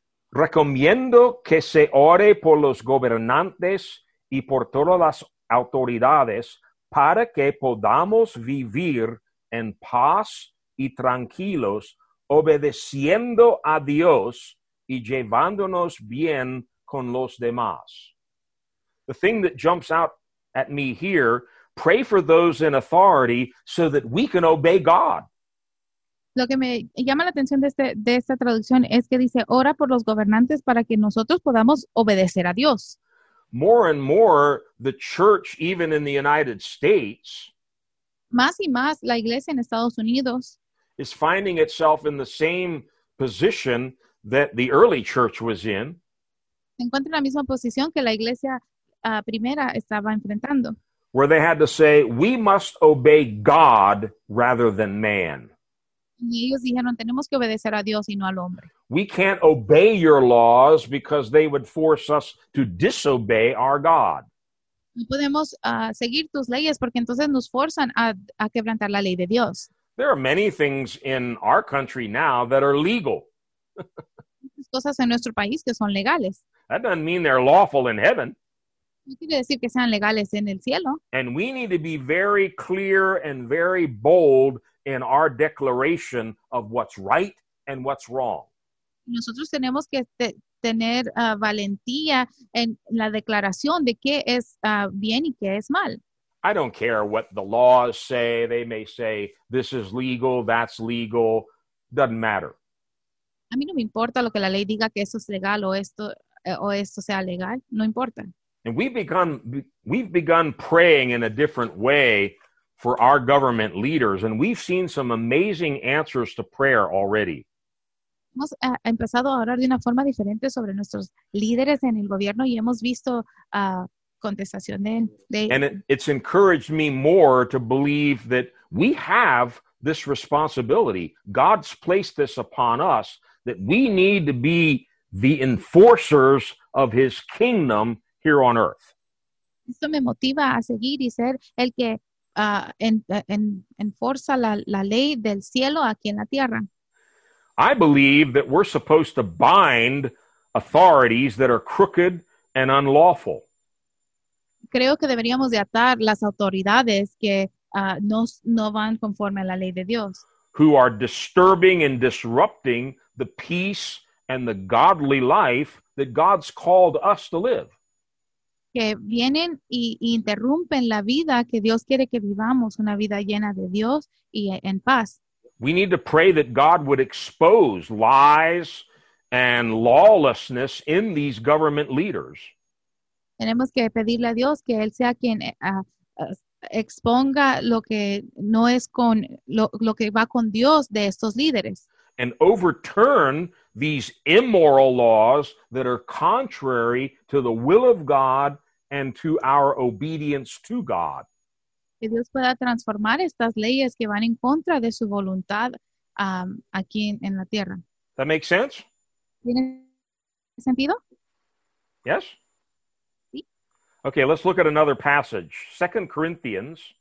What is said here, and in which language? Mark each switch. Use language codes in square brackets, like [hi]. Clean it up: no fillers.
[es] Recomiendo que se ore por los gobernantes y por todas las autoridades para que podamos vivir en paz y tranquilos, obedeciendo a Dios y llevándonos bien con los demás. [en] The thing that jumps out at me here, pray for those in authority so that we can obey God. [es] Lo que me llama la atención de esta traducción es que dice, ora por los gobernantes para que nosotros podamos obedecer a Dios. [en] More and more, the church, even in the United States, [es] más y más, la iglesia en Estados Unidos, [en] is finding itself in the same position that the early church was in. [es] Se encuentra en la misma posición que la iglesia primera estaba enfrentando. [en] Where they had to say, we must obey God rather than man. [es] Y ellos dijeron, tenemos que obedecer a Dios y no al hombre. [en] We can't obey your laws because they would force us to disobey our God. [es] No podemos seguir tus leyes porque entonces nos forzan a quebrantar la ley de Dios. [en] There are many things in our country now that are legal. [es] Cosas en nuestro país que son legales. [en] That doesn't mean they're lawful in heaven. [es] No quiere decir que sean legales en el cielo. [en] And we need to be very clear and very bold in our declaration of what's right and what's wrong. [es] Nosotros tenemos que tener valentía en la declaración de qué es bien y qué es mal. [en] I don't care what the laws say. They may say, this is legal, that's legal. Doesn't matter. [es] A mí no me importa lo que la ley diga, que eso es legal o esto sea legal. No importa. [en] And we've begun praying in a different way for our government leaders, and we've seen some amazing answers to prayer already. [es] Hemos empezado a orar de una forma diferente sobre nuestros líderes en el gobierno y hemos visto contestación de [en] And it's encouraged me more to believe that we have this responsibility. God's placed this upon us, that we need to be the enforcers of his kingdom here on earth. [es] Esto me motiva a seguir y ser el que enforza la ley del cielo aquí en la tierra. [en] I believe that we're supposed to bind authorities that are crooked and unlawful. [es] Creo que deberíamos de atar las autoridades que no van conforme a la ley de Dios. [en] Who are disturbing and disrupting the peace and the godly life that God's called us to live. [es] Que vienen y interrumpen la vida que Dios quiere que vivamos, una vida llena de Dios y en paz. [en] We need to pray that God would expose lies and lawlessness in these government leaders. [es] Tenemos que pedirle a Dios que él sea quien exponga lo que no es con lo que va con Dios de estos líderes. [en] And overturn these immoral laws that are contrary to the will of God and to our obedience to God. [es] Que Dios pueda transformar estas leyes que van en contra de su voluntad aquí en la tierra. [en] That makes sense? [es] ¿Tiene sentido? [en] Yes? [es] Sí. [en] Okay, let's look at another passage. 2 Corinthians.